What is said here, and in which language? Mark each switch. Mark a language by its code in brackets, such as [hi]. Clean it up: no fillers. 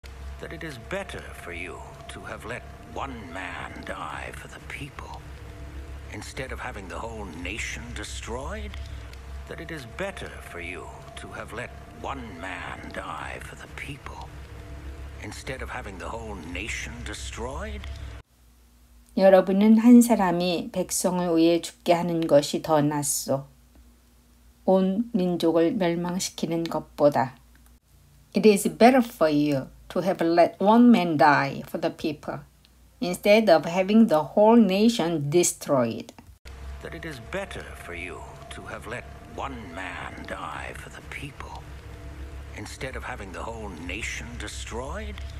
[en] that it is better for you to have let one man die for the people instead of having the whole nation destroyed? That it is better for you to have let one man die for the people instead of having the whole nation destroyed? [ko] 여러분은 한 사람이 백성을 위해 죽게 하는 것이 더 낫소. 온 민족을 멸망시키는 것보다. [en] It is better for you to have let one man die for the people instead of having the whole nation destroyed. That it is better for you to have let one man die for the people instead of having the whole nation destroyed?